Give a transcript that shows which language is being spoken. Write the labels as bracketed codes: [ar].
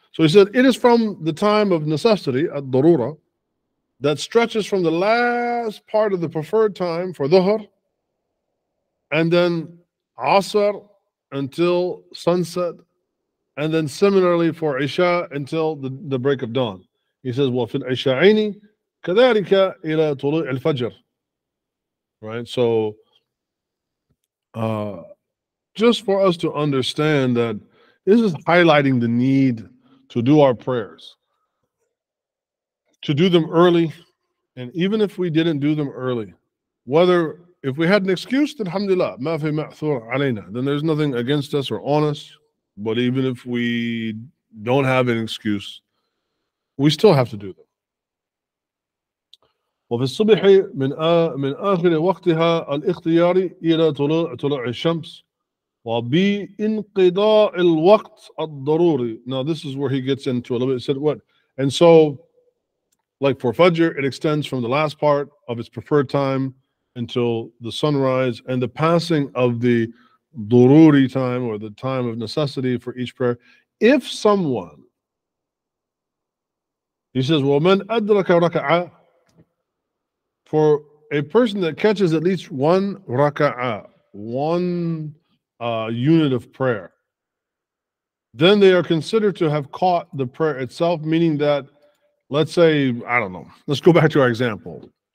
[en] So he said, it is from the time of necessity, الضرورة, that stretches from the last part of the preferred time for Dhuhr, and then Asr until sunset, and then similarly for Isha until the break of dawn. He says, [ar] وَفِي الْعِشَاعَيْنِ كَذَٰلِكَ إِلَى طُلُوعِ الْفَجْرِ. [en] Right, so just for us to understand that this is highlighting the need to do our prayers. to do them early, and even if we didn't do them early, whether if we had an excuse, then alhamdulillah, [ar] ma fi ma'thur alayna, [en] then there's nothing against us or on us. But even if we don't have an excuse, we still have to do them. [ar] وفي الصبح من آخر وقتها الاختيار إلى طلوع الشمس وبانقضاء الوقت الضروري. [en] Now this is where he gets into a little bit. He said what? And so, like for Fajr, it extends from the last part of its preferred time until the sunrise, and the passing of the ضروري time, or the time of necessity for each prayer. If someone, he says, [ar] وَمَنْ أَدْرَكَ رَكَعَ, [en] for a person that catches at least one raka'a, one unit of prayer, then they are considered to have caught the prayer itself, meaning that, let's say, I don't know, let's go back to our example.